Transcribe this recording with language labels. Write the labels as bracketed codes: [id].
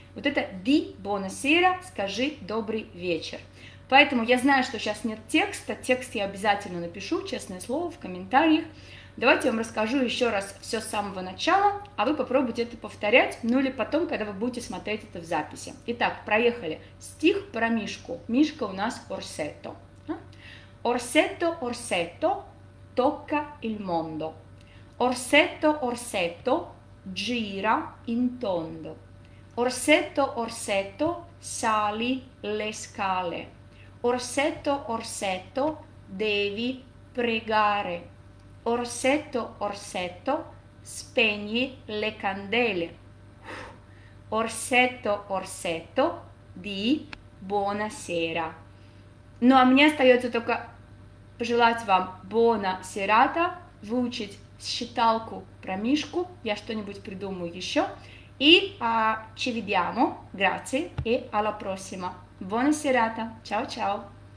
[ru] Вот это «ди бонасера» – «скажи добрый вечер». Поэтому я знаю, что сейчас нет текста, текст я обязательно напишу, честное слово, в комментариях. Давайте я вам расскажу еще раз все с самого начала, а вы попробуйте это повторять, ну или потом, когда вы будете смотреть это в записи. Итак, проехали. Стих про Мишку. Мишка у нас Орсетто. [it] Орсетто, Орсетто, tocca il mondo. Орсетто, Орсетто, gira in tondo. Орсетто, Орсетто, sali le scale. Orsetto, orsetto, devi pregare. Orsetto, orsetto, spegni le candele. Orsetto, orsetto, di buona sera. [ru] Ну, а мне остается только пожелать вам [it] buona serata, [ru] выучить считалку про Мишку, я что-нибудь придумаю еще. [it] И ci vediamo, grazie, e alla prossima. Buona serata, ciao-ciao.